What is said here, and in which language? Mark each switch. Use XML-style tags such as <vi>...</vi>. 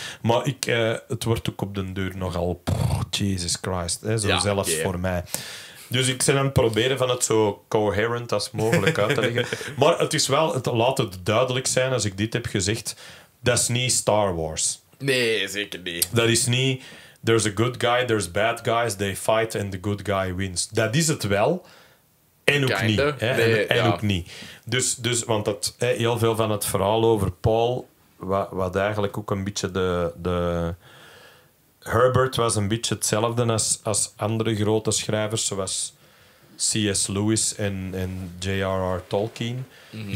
<nl>Maar het wordt ook op den duur nogal...</nl> <en>Jesus Christ,</en> <nl>zelfs voor mij. Dus ik ben aan het proberen van het zo coherent als mogelijk uit te leggen. Maar het is wel... Het laat het duidelijk zijn, als ik dit heb gezegd... Dat is niet Star Wars. Nee, zeker niet. Dat is niet...</nl> <en>There's a good guy, there's bad guys, they fight and the good guy wins.</en> <nl>Dat is het wel. En ook niet. Hè? Nee, en ook niet. Dus, want dat, heel veel van het verhaal over Paul, wat eigenlijk ook een beetje de Herbert was een beetje hetzelfde als andere grote schrijvers, zoals C.S. Lewis en J.R.R. Tolkien. Mm-hmm.</nl>